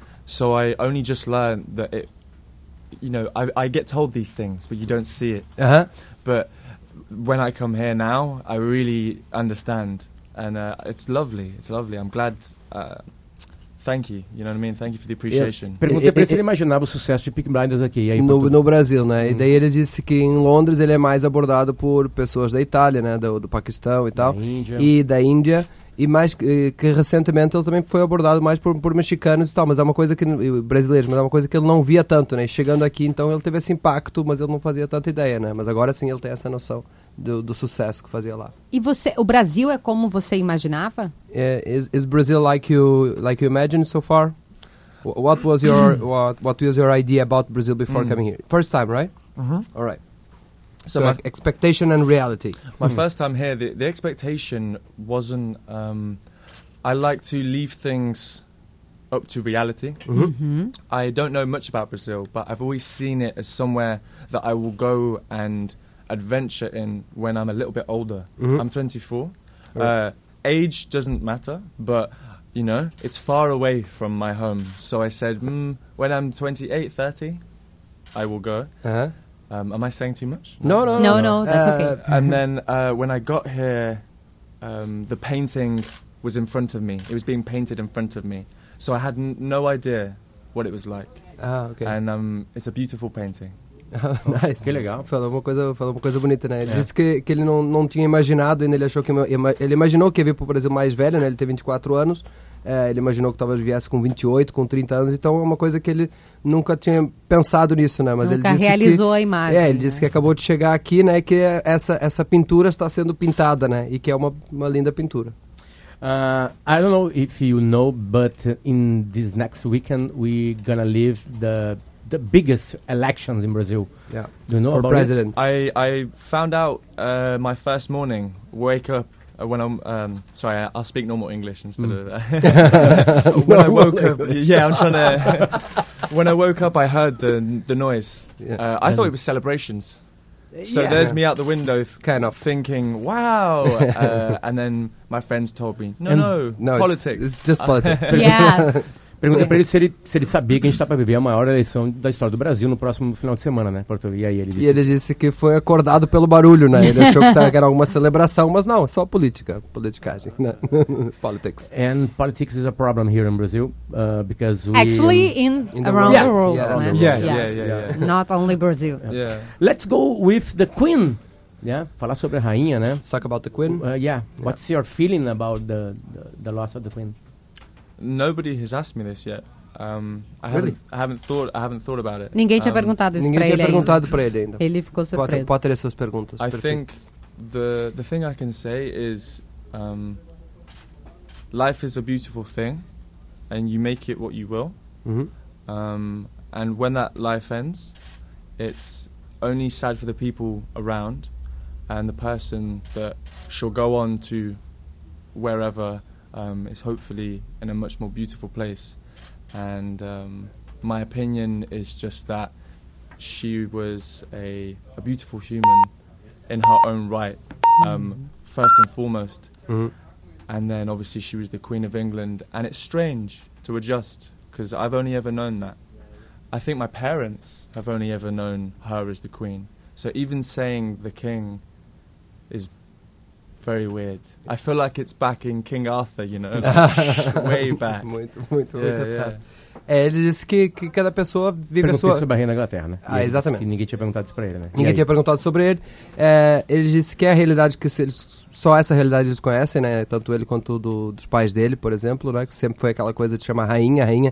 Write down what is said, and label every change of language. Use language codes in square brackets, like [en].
[en] So I only just learned that it, you know, I get told these things, but you don't see it. Uh-huh. But when I come here now, I really understand. And it's lovely. It's lovely. I'm glad. Thank you. You know what I mean? Thank you for the appreciation. [pt] Perguntei pra ele se imaginava o sucesso de Peaky Blinders aqui. Aí no Brasil, né? E daí ele disse que em Londres ele é mais abordado por pessoas da Itália, né? Do Paquistão e tal. Da Índia. E mais que recentemente ele também foi abordado mais por mexicanos e tal, mas é uma coisa que. Brasileiros, mas é uma coisa que ele não via tanto, né? Chegando aqui, então ele teve esse impacto, mas ele não fazia tanta ideia, né? Mas agora sim ele tem essa noção do sucesso que fazia lá. E você. O Brasil é como você imaginava? [en] Is Brazil like you imagined so far? What was your what was your idea about Brazil before coming here? First time, right? Uh-huh. All right. So my expectation and reality. My first time here, the expectation wasn't. I like to leave things up to reality. Mm-hmm. I don't know much about Brazil, but I've always seen it as somewhere that I will go and adventure in when I'm a little bit older. Mm-hmm. I'm 24. Right. Age doesn't matter, but you know, it's far away from my home. So I said, when I'm 28, 30, I will go. Uh-huh. Am I saying too much? No, that's okay. And then when I got here, the painting was in front of me. It was being painted in front of me. So I had no idea what it was like. Ah, okay. And it's a beautiful painting. Nice. [pt] Que legal. Falou uma coisa bonita, né? Ele disse que ele não tinha imaginado, ainda ele achou que ele imaginou que ia vir para o Brasil mais velho, né? Ele tem 24 anos. Ele imaginou que talvez viesse com 28, com 30 anos, então é uma coisa que ele nunca tinha pensado nisso, né? Mas nunca ele disse realizou que, a imagem. É, ele disse que acabou de chegar aqui, né? Que essa pintura está sendo pintada, né? E que é uma linda pintura. [en] I don't know if you know, but in this next weekend we're gonna live the biggest elections in Brazil. Yeah. Do you know for about president. It? I found out my first morning, wake up. When I'm sorry, I'll speak normal English instead of when normal I woke English. Up. Yeah, I'm trying to. When I woke up, I heard the noise. Yeah. I thought it was celebrations. So yeah, there's me out the window, kind of thinking, "Wow!" and then my friends told me, "No, politics. It's just politics." Yes. [pt] Perguntei pra ele se ele sabia que a gente tá pra viver a maior eleição da história do Brasil no próximo final de semana, né, Porto? E aí ele disse... E ele disse que foi acordado pelo barulho, né? Ele achou que era alguma celebração, mas não, só política, politicagem, né? [en] Politics. And politics is a problem here in Brazil, because we... Actually, in around the world. Yeah. Not only Brazil. Yeah. Let's go with the queen, yeah? [pt] Falar sobre a rainha, né? [en] Talk about the queen. Yeah. What's your feeling about the loss of the queen? Nobody has asked me this yet. I haven't thought about it. [pt] Ninguém tinha perguntado isso para ele. Ninguém tinha perguntado para ele ainda. Ele ficou surpreso. Pode ter essas perguntas. [en] I think the thing I can say is life is a beautiful thing and you make it what you will. Mm-hmm. And when that life ends, it's only sad for the people around and the person that shall go on to wherever is hopefully in a much more beautiful place. And my opinion is just that she was a beautiful human in her own right, first and foremost. Mm-hmm. And then obviously she was the Queen of England. And it's strange to adjust because I've only ever known that. I think my parents have only ever known her as the Queen. So even saying the King is very weird. I feel like it's back in King Arthur, you know, like, way back. [pt] Muito. Ele disse que cada pessoa vive a sua... Perguntei sobre a Rainha da Inglaterra, né? Ah, exatamente. Que ninguém tinha perguntado isso pra ele, né? Ninguém tinha perguntado sobre ele. É, ele disse que é a realidade que eles, só essa realidade eles conhecem, né? Tanto ele quanto dos pais dele, por exemplo, né? Que sempre foi aquela coisa de chamar rainha.